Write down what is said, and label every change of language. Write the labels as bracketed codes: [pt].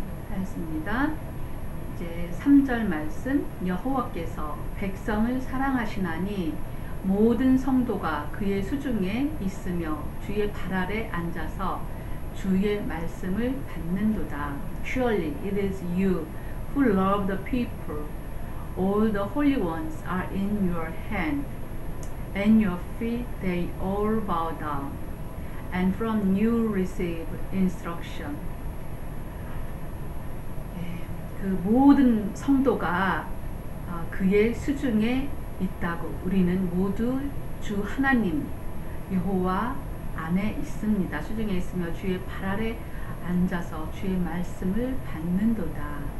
[ko] 하였습니다. 이제 3절 말씀, 여호와께서 백성을 사랑하시나니 모든 성도가 그의 수중에 있으며 주의 발 아래 앉아서 주의 말씀을 받는도다. [en] Surely it is you who love the people. All the holy ones are in your hand. And your feet, they all bow down, and from you receive instruction. [ko] 그 모든 성도가 그의 수중에 있다고, 우리는 모두 주 하나님 여호와 안에 있습니다. 수중에 있으며 주의 발 아래 앉아서 주의 말씀을 받는도다.